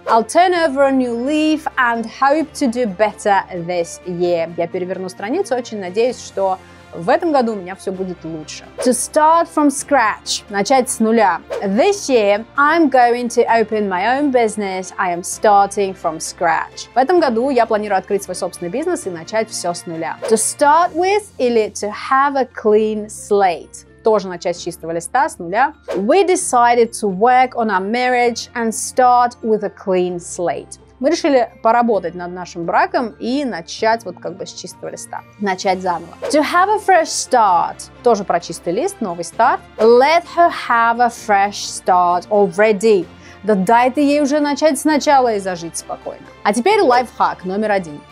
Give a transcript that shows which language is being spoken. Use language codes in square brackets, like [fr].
[en] I'll turn over a new leaf and hope to do better this year. [ru] Я переверну страницу, очень надеюсь, что в этом году у меня все будет лучше. [en] To start from scratch. [ru] Начать с нуля. [en] This year I'm going to open my own business. I am starting from scratch. [ru] В этом году я планирую открыть свой собственный бизнес и начать все с нуля. [en] To start with или to have a clean slate. [ru] Тоже начать с чистого листа, с нуля. [en] We decided to work on our marriage and start with a clean slate. [ru] Мы решили поработать над нашим браком и начать вот как бы с чистого листа. Начать заново. [en] To have a fresh start. [ru] Тоже про чистый лист, новый старт. [en] Let her have a fresh start already. [ru] Да дайте ей уже начать сначала и зажить спокойно. А теперь лайфхак номер один.